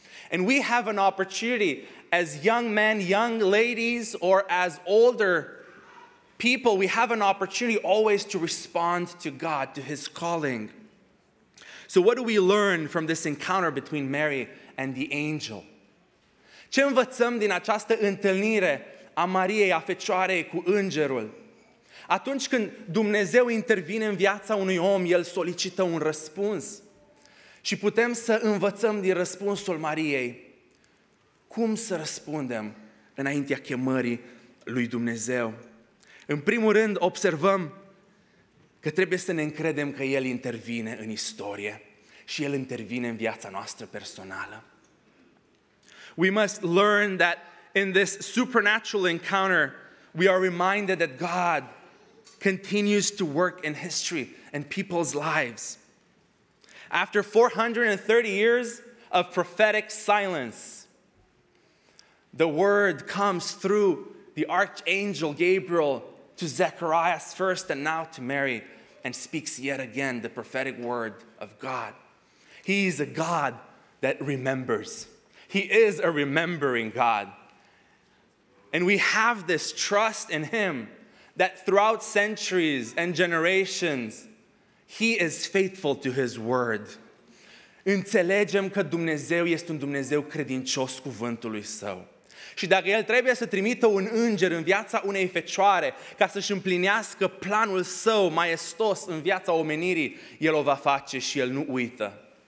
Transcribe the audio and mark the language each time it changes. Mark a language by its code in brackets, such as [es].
[en] And we have an opportunity as young men, young ladies, or as older people, we have an opportunity always to respond to God, to his calling. So what do we learn from this encounter between Mary and the angel? [ro] Ce învățăm din această întâlnire a Mariei, a Fecioarei cu Îngerul? Atunci când Dumnezeu intervine în viața unui om, el solicită un răspuns. Și putem să învățăm din răspunsul Mariei cum să răspundem înaintea chemării lui Dumnezeu. În primul rând, observăm că trebuie să ne încredem că El intervine în istorie și El intervine în viața noastră personală. [en] We must learn that in this supernatural encounter, we are reminded that God continues to work in history and people's lives. After 430 years of prophetic silence, the word comes through the archangel Gabriel to Zechariah first and now to Mary and speaks yet again the prophetic word of God. He is a God that remembers. He is a remembering God. And we have this trust in him that throughout centuries and generations, he is faithful to his word. [ro] Înțelegem că Dumnezeu este un Dumnezeu credincios cuvântului său. Și dacă el trebuie să trimită un înger în viața unei fecioare ca să-și împlinească planul său maestos în viața omenirii, el o va face și el nu uită.